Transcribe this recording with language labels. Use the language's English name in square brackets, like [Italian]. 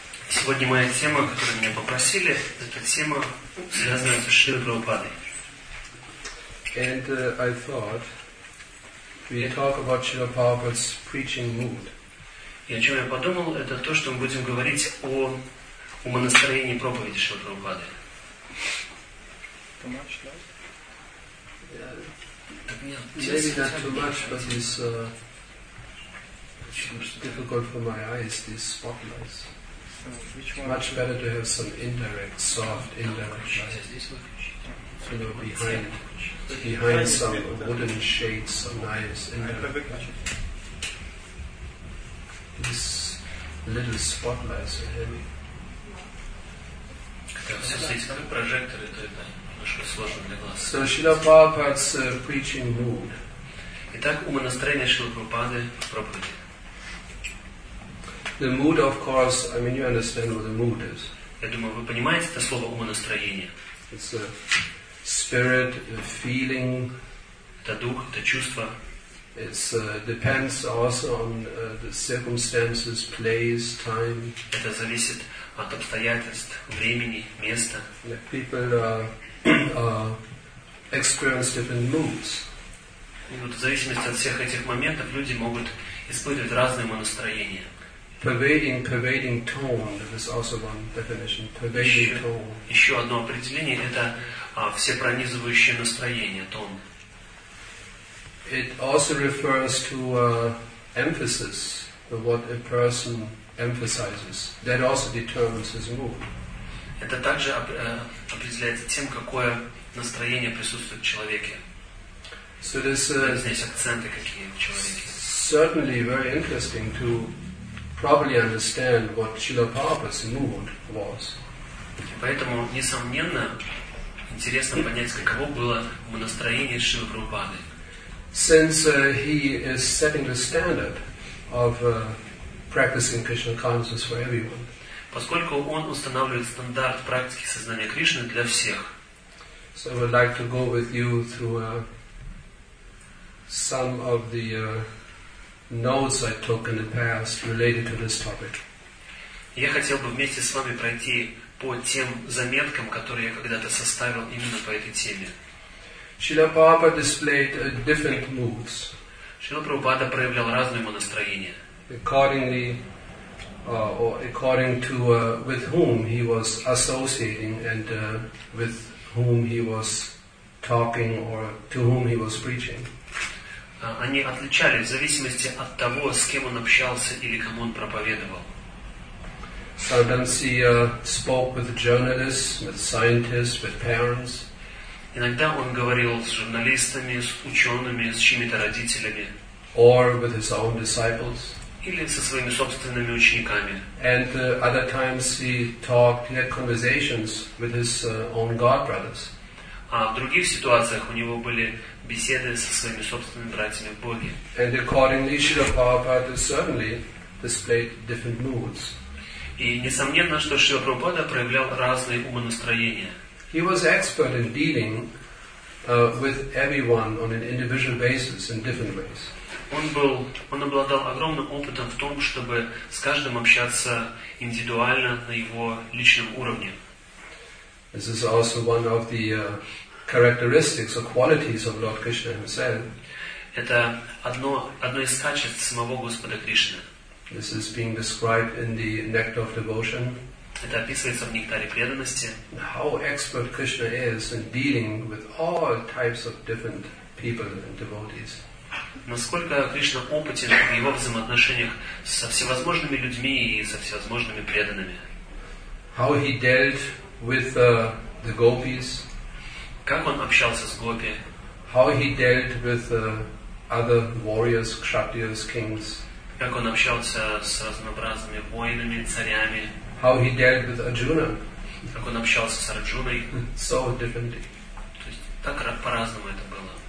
[Russian] Сегодня моя тема, которую меня попросили, это тема, связанная с Шрилой Прабхупадой. [English] And I thought we talk about Srila Prabhupada's preaching mood. [Russian] И о чем я подумал, это то, что мы будем говорить о умонастроении проповеди Шрилы Прабхупады. [English] Too much light? Yeah. Maybe not too much, but it's difficult for my eyes, these spotlights. Which one? Much better to have some indirect, soft indirect light. So they're behind some wooden shades, some nice indirect. These little spotlights are heavy. So Srila Prabhupada's preaching mood. [Russian] Итак, умонастроение Шрилы Прабхупады в проповеди. [English] The mood, of course, I mean, you understand what the mood is. [Russian] Я думаю, вы понимаете это слово умонастроение. [English] It's a spirit, a feeling. [Russian] Это дух, это чувство. [English] It depends also on the circumstances, place, time. [Russian] Это зависит от обстоятельств, времени, места. [English] People experience different moods. [Russian] И вот в зависимости от всех этих моментов люди могут испытывать разные умонастроения. [English] Pervading tone. That is also one definition. Pervading tone. [Russian] Еще одно определение – это всепронизывающее настроение, тон. [English] It also refers to emphasis, what a person emphasizes. That also determines his mood. [Russian] Это также определяется тем, какое настроение присутствует в человеке. [English] So this [Russian] здесь акценты какие в человеке. [English] Certainly very interesting to probably understand what Srila Prabhupada's mood was. [Russian] Поэтому, несомненно, интересно понять, каково было настроение Шрилы Прабхупады. [English] Since he is setting the standard of practicing Krishna consciousness for everyone. [Russian] Поскольку он устанавливает стандарт практики сознания Кришны для всех. [English] So I would like to go with you through some of the notes I took in the past related to this topic. [Russian] Я хотел бы вместе с вами пройти по тем заметкам, которые я когда-то составил именно по этой теме. [English] Srila Prabhupada displayed different moods. [Russian] Шрила Прабхупада проявлял разные умонастроения. [English] Accordingly, or according to with whom he was associating and with whom he was talking or to whom he was preaching. [Russian] Они отличались в зависимости от того, с кем он общался или кому он проповедовал. [English] Sometimes he spoke with journalists, with scientists, with parents. [Russian] Иногда он говорил с журналистами, с учеными, с чьими-то родителями. [English] Or with his own disciples. [Russian] Или со своими собственными учениками. [English] And other times he talked, he had conversations with his own god brothers. [Russian] А в других ситуациях у него были беседы со своими собственными братьями в Боге. [English] And accordingly, Srila Prabhupada certainly displayed different moods. [Russian] И несомненно, что Шрила Прабхупада проявлял разные умонастроения. [English] He was expert in dealing with everyone on an individual basis in different ways. [Russian] Он обладал огромным опытом в том, чтобы с каждым общаться индивидуально на его личном уровне. [English] This is also one of the characteristics or qualities of Lord Krishna himself. [Russian] Это одно из качеств самого Господа Кришны. [English] This is being described in the Nectar of Devotion. [Russian] Это описывается в Нектаре преданности. [English] How expert Krishna is in dealing with all types of different people and devotees. [Russian] Насколько Кришна опытен в его взаимоотношениях со всевозможными людьми и со всевозможными преданными. [English] How he dealt with the gopis. [Russian] Как он общался с гопи? [English] How he dealt with other warriors, kshatriyas, kings. [Russian] Как он общался с разнообразными воинами, царями? [English] how he dealt with Arjuna. [Russian] Как он общался с Арджуной. [English] So differently. [Russian] То есть так по-разному это было.